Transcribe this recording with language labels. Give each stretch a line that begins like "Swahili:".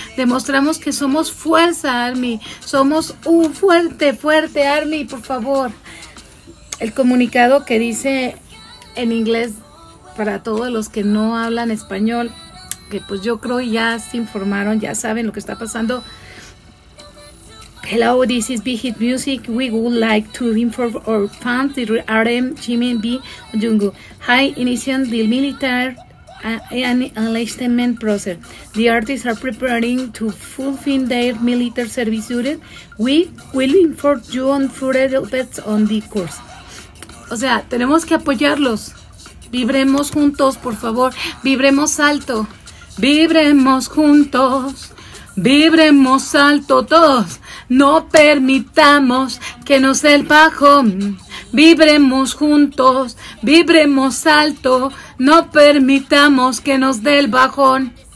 Spanish: Demostramos que somos fuerza, Army. Somos un fuerte, fuerte Army, por favor. El comunicado que dice en inglés, para todos los que no hablan español, que pues yo creo ya se informaron, ya saben lo que está pasando.
English: Hello, this is Vigid Music. We would like to inform our fans, RM, Jimin, V, Jungkook. Hi, iniciando the military and enlistment process. The artists are preparing to fulfill their military service duties. We will inform you on further updates on the course.
Spanish: O sea, tenemos que apoyarlos. Vibremos juntos, por favor. Vibremos alto. Vibremos juntos. Vibremos alto todos, no permitamos que nos dé el bajón. Vibremos juntos, vibremos alto, no permitamos que nos dé el bajón.